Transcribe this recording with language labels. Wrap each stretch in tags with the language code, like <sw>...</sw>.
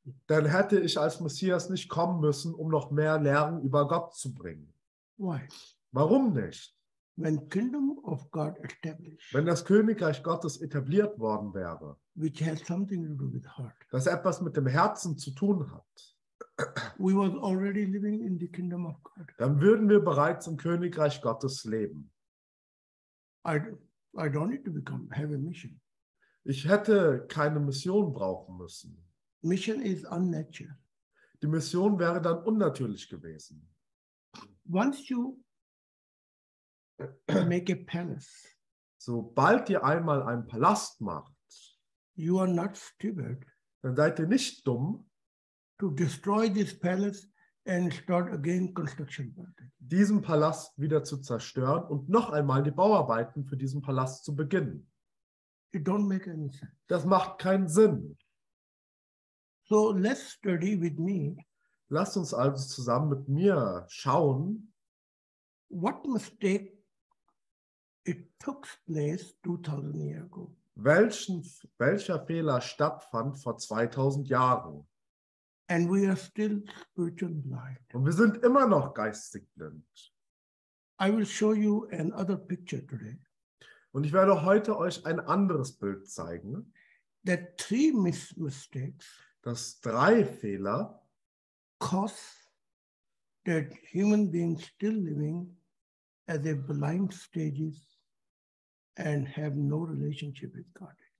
<de>Dann hätte ich als Messias nicht kommen müssen, um noch mehr Lehren über Gott zu bringen.</de> <en>Why?</en> <de>Warum nicht?</de> <en>When kingdom of God established,</en> <de>wenn das Königreich Gottes etabliert worden wäre,</de> <en>which has something to do with heart,</en> <de>das etwas mit dem Herzen zu tun hat,</de> <en>we was already living in the kingdom of God.</en> <de>Dann würden wir bereits im Königreich Gottes leben.</de> <en>I don't need to become, have a mission.</en> <de>Ich hätte keine Mission brauchen müssen.</de> <en>Mission is unnatural.</en> <de>Die Mission wäre dann unnatürlich gewesen.</de> <en>Once you make a palace,</en> <de>sobald ihr einmal einen Palast macht,</de> <en>you are not stupid,</en> <de>dann seid ihr nicht dumm,</de> <en>to destroy this palace and start again construction.</en> <de>Diesen Palast wieder zu zerstören und noch einmal die Bauarbeiten für diesen Palast zu beginnen.</de> <en>It don't make any sense.</en> <de>Das macht keinen Sinn.</de> <en>So let's study with me.</en> <de>Lasst uns also zusammen mit mir schauen,</de> <en>what mistake it took place 2000 years ago.</en> <de>Welcher Fehler stattfand vor 2000 Jahren?</de> <en>And we are still spiritually blind.</en> <de>Und wir sind immer noch geistig blind.</de> <en>I will show you another picture today.</en> <de>Und ich werde heute euch ein anderes Bild zeigen.</de> <en>That three mistakes,</en> <de>dass drei Fehler,</de> <en>cause that human being still living as a blind stages and have no relationship with God.</en>